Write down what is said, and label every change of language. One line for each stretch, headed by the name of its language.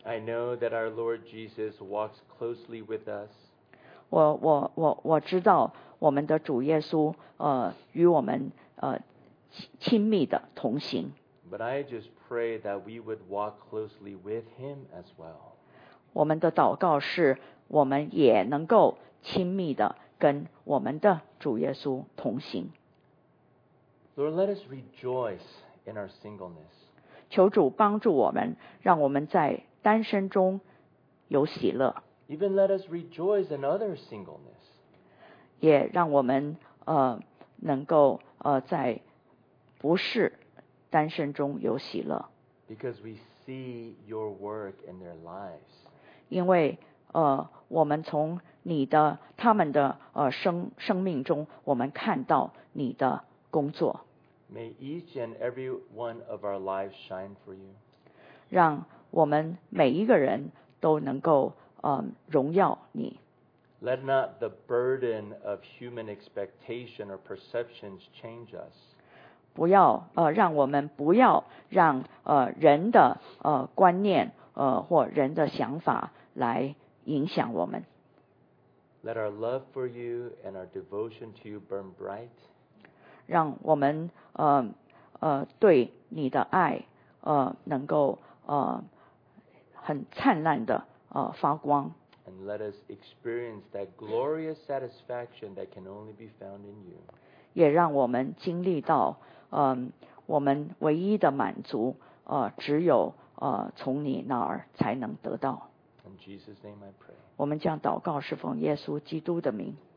English: I know that our Lord Jesus walks closely with us.
Chinese: 我知道我们的主耶稣与我们亲密的同行。
English: But I just pray that we would walk closely with Him as well.
Chinese: 我们的祷告是我们也能够亲密的跟我们的主耶稣同行。
English: Lord, let us rejoice in our singleness.
Chinese: 求主帮助我们，让我们在单身中有喜乐。
English: Even let us rejoice in other singleness.
Chinese: 也让我们能够在不是单身中有喜乐。
English: Because we see your work in their lives.
Chinese: 因为我们从你的他们的生命中，我们看到你的工作。
English: May each and every one of our lives shine for you.
Chinese: 让我们每一个人都能够荣耀你。
English: Let not the burden of human expectation or perceptions change us.
Chinese: 不要让我们不要让人的观念或人的想法来影响我们。
English: Let our love for you and our devotion to you burn bright.
Chinese: 让我们对你的爱能够很灿烂的发光。
English: And let us experience that glorious satisfaction that can only be found in you.
Chinese: 也让我们经历到我们唯一的满足只有从你那儿才能得到。
English: In Jesus' name I pray.
Chinese: 我们将祷告是奉耶稣基督的名。